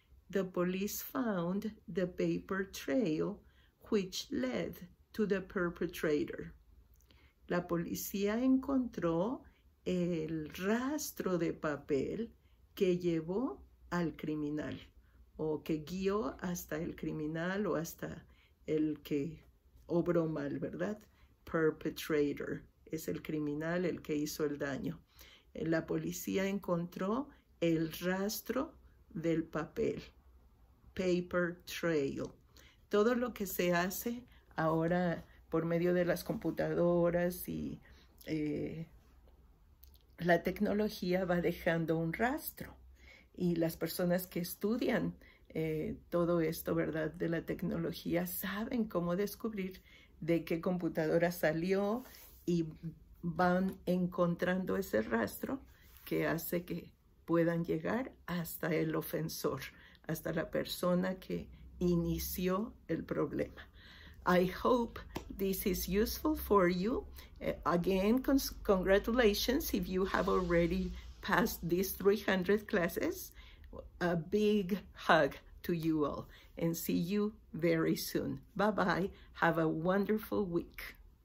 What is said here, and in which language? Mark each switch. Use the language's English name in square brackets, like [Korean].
[English] The police found the paper trail which led to the perpetrator. [Spanish] La policía encontró el rastro de papel que llevó al criminal o que guió hasta el criminal o hasta el que obró mal, ¿verdad? Perpetrator es el criminal, el que hizo el daño. La policía encontró el rastro del papel, paper trail. Todo lo que se hace ahora por medio de las computadoras y la tecnología va dejando un rastro. Y las personas que estudian todo esto, ¿verdad?, de la tecnología, saben cómo descubrir de qué computadora salió y van encontrando ese rastro que hace que puedan llegar hasta el ofensor, hasta la persona que inició el problema. [English] I hope this is useful for you. Again, congratulations if you have already passed these 300 classes. A big hug to you all and see you very soon. Bye-bye. Have a wonderful week.